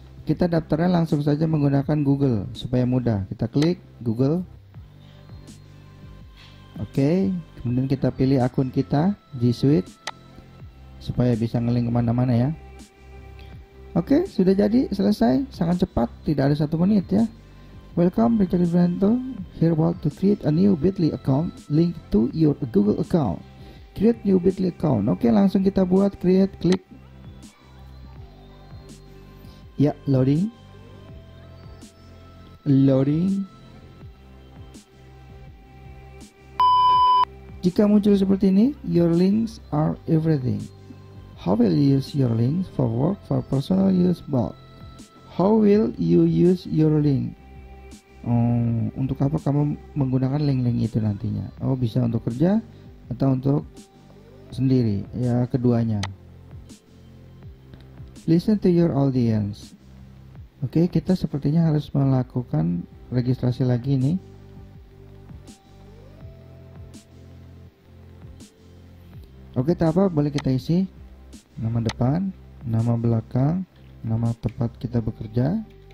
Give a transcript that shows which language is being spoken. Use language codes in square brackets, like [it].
[id] Kita daftarnya langsung saja menggunakan Google supaya mudah. Kita klik Google. Oke, kemudian kita pilih akun kita G Suite supaya bisa ngelink kemana-mana ya. Oke, sudah jadi, selesai, sangat cepat, tidak ada 1 menit ya. [en] Welcome Richard Rivento. Here about to create a new Bitly account link to your Google account. Create new Bitly account. [id] Oke, langsung kita buat create, klik. Ya, loading. [en] Loading. [id] Jika muncul seperti ini, [en] your links are everything. How will you use your links for work, for personal use, both? How will you use your link? [id] Untuk apa kamu menggunakan link-link itu nantinya? Oh, bisa untuk kerja atau untuk sendiri? Ya, keduanya. [en] Listen to your audience. [id] Oke, kita sepertinya harus melakukan registrasi lagi nih. Oke, tak apa, boleh kita isi nama depan, nama belakang, nama tempat kita bekerja.